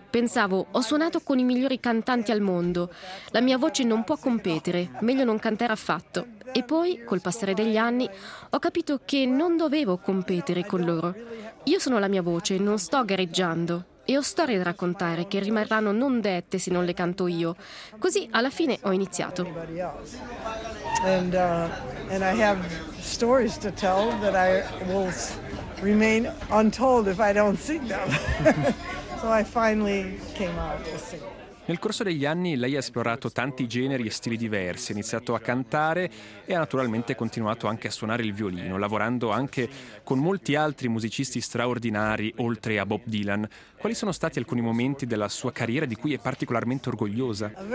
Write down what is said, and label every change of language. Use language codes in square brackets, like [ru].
[it] Pensavo, ho suonato con i migliori cantanti al mondo. La mia voce non può competere, meglio non cantare affatto. E poi, col passare degli anni, ho capito che non dovevo competere con loro. Io sono la mia voce, non sto gareggiando. E ho storie da raccontare che rimarranno non dette se non le canto io. Così, alla fine, ho iniziato. [en] And I have stories to tell that I will remain untold if I don't sing them. So I finally came out to sing. [it] Nel corso degli anni lei ha esplorato tanti generi e stili diversi, ha iniziato a cantare e ha naturalmente continuato anche a suonare il violino, lavorando anche con molti altri musicisti straordinari oltre a Bob Dylan. Quali sono stati alcuni momenti della sua carriera di cui è particolarmente orgogliosa?